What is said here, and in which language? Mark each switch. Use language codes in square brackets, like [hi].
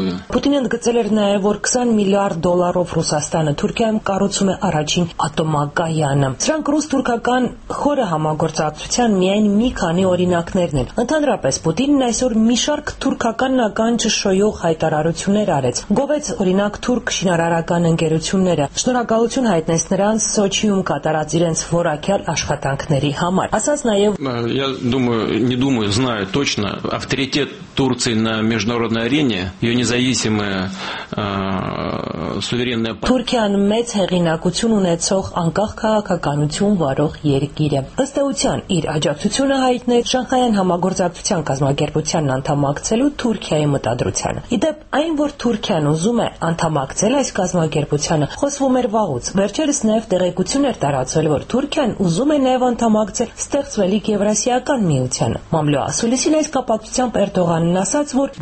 [hy] Պուտինը ընդգծել էր նաև, որ 20 միլիարդ դոլարով Ռուսաստանը Թուրքիայում կառուցում է առաջին ատոմակայան։ Սրանք ռուս-թուրքական խորը համագործակցության միայն մի քանի օրինակներն են։ Ընդհանրապես Պուտինն այսօր մի շարք թուրքական ականջ շոյող հայտարարություններ արեց։ Գովեց օրինակ թուրք շինարարական ընկերությունները, շնորհակալություն հայտնեց նրանց Սոչիում կատարած իրենց որակյալ աշխատանքների համար։ Ասաց նաև. [ru] Знаю точно, авторитет Турции на международной арене, её независимая суверенная [hy] Թուրքիան մեծ հեղինակություն ունեցող անկախ քաղաքականություն վարող երկիր է։ Ըստ էության իր աջակցությունը հայտնել Շանհայան համագործակցության կազմակերպության անդամակցելու Թուրքիայի մտադրությանը։ Իդեպ, այն որ Թուրքիան ուզում է անդամակցել այս կազմակերպությանը, խոսվում էր վաղուց։ Վերջերս նաև տեղեկություն էր տարածվել, որ Թուրքիան ուզում է նաև անդամակցել ստեղծվելիք Եվրասիական միությանը։ Մամլոասուլիսին այս կապակցությամբ Էրդողանն ասաց, որ